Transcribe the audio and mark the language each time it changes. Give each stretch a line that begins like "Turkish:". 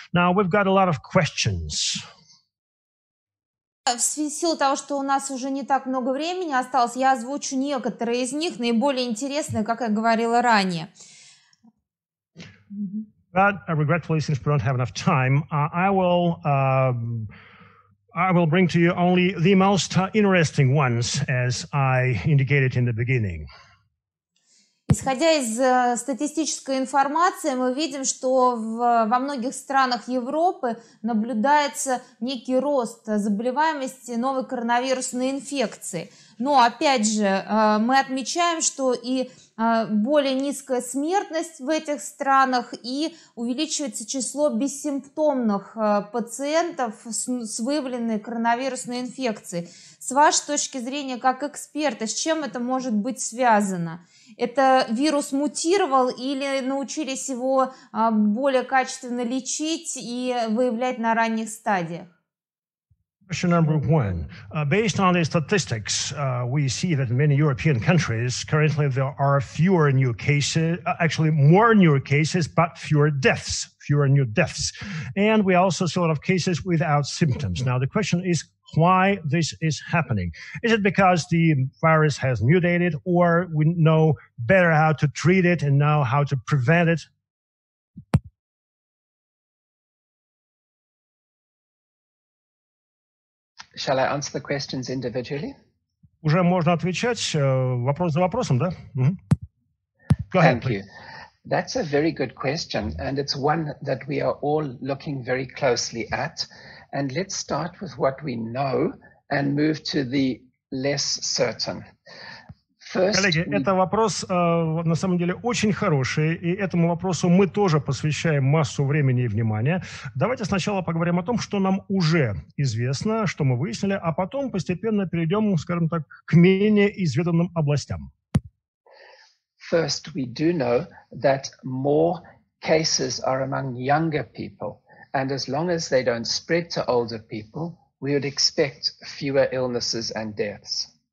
English: Now, we've got a lot of questions.
Russian: В связи с того, что у нас уже не так много времени осталось, я озвучу некоторые из них, наиболее интересные, как я говорила ранее. But regretfully, since we don't have enough time, I will bring to you only the most interesting ones, as I indicated in the beginning. Исходя из статистической информации, мы видим, что во многих странах Европы наблюдается некий рост заболеваемости новой коронавирусной инфекцией. Но, опять же, мы отмечаем, что и более низкая смертность в этих странах, и увеличивается число бессимптомных пациентов с выявленной коронавирусной инфекцией. С вашей точки зрения, как эксперта, с чем это может быть связано? Это вирус мутировал или научились его более качественно лечить и выявлять на ранних стадиях?
English: Question number one. Based on the statistics, we see that in many European countries, currently there are fewer new cases, actually more new cases, but fewer new deaths. And we also see a lot of cases without symptoms. Now, the question is why this is happening. Is it because the virus has mutated, or we know better how to treat it and know how to prevent it? Shall I answer the questions individually?
Russian: Уже можно отвечать вопрос за вопросом, да? Mm-hmm.
English: Go ahead, please. Thank you. That's a very good question, and it's one that we are all looking very closely at. And let's start with what we know and move to the less certain.
Russian: Коллеги, это вопрос на самом деле очень хороший, и этому вопросу мы тоже посвящаем массу времени и внимания. Давайте сначала поговорим о том, что нам уже известно, что мы выяснили, а потом постепенно перейдем, скажем так, к менее изведанным областям.
English: First, we do know that more cases are among younger people, and as long as they don't spread to older people, we would expect fewer illnesses and deaths.